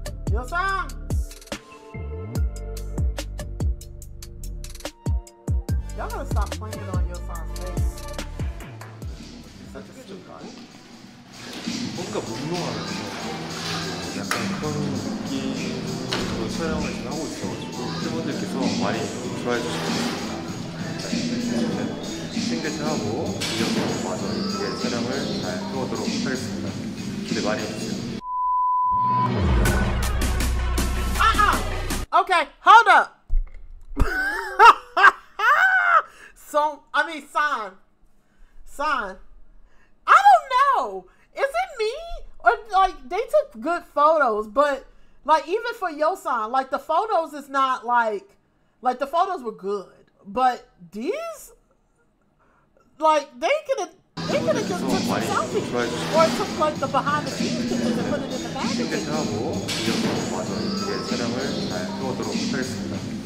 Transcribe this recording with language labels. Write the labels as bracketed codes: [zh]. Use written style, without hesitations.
[en] Yeosang. Y'all gotta stop playing on Yeosang's face. [ko] 뭔가 몽롱하면서 약간 그런 느낌으로 촬영을 지금 하고 있어가지고 팬분들께서 많이 좋아해 주셨습니다. 싱글샷하고 이어서 마저 이렇게 촬영을 잘 해보도록 하겠습니다. 기대 많이 해주세요. [en] Okay, hold up. So, I mean, sign. I don't know. Is it me? Or, like, they took good photos, but, like, even for Yeosang, like, the photos is not, like, the photos were good. But these, like, they could have just took the selfies. Or took, like, the behind-the-scenes pictures and put it in the magazine. [ko] 촬영을 잘 해보도록 하겠습니다.